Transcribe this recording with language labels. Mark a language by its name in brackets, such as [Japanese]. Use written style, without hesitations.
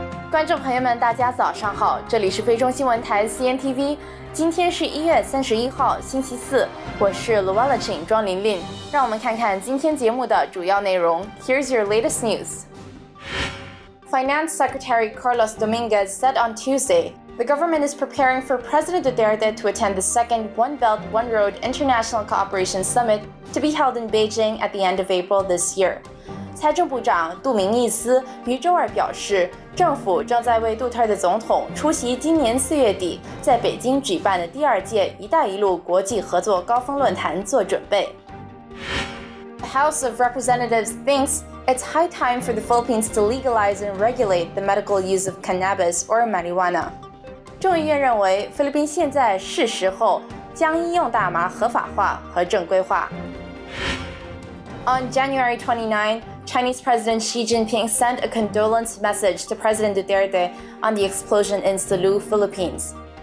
[Chinese] 观众朋友们，大家早上好，这里是菲中新闻台 CNTV。今天是1月31号，星期四，我是 Luella Chin 庄琳琳。让我们看看今天节目的主要内容。 [English] Here's your latest news. Finance Secretary Carlos Dominguez said on Tuesday, the government is preparing for President Duterte to attend the second One Belt One Road International Cooperation Summit to be held in Beijing at the end of April this year. [Chinese] 财政部长杜明义斯于周二表示，政府正在为杜特尔特总统出席今年四月底在北京举办的第二届“一带一路”国际合作高峰论坛做准备。 [English] The House of Representatives thinks it's high time for the Philippines to legalize and regulate the medical use of cannabis or marijuana. [Chinese] 众议院认为，菲律宾现在是时候将医用大麻合法化和正规化。 [English] On January 29th, Chinese President Xi Jinping sent a condolence message to President Duterte on the explosion in Sulu, Philippines.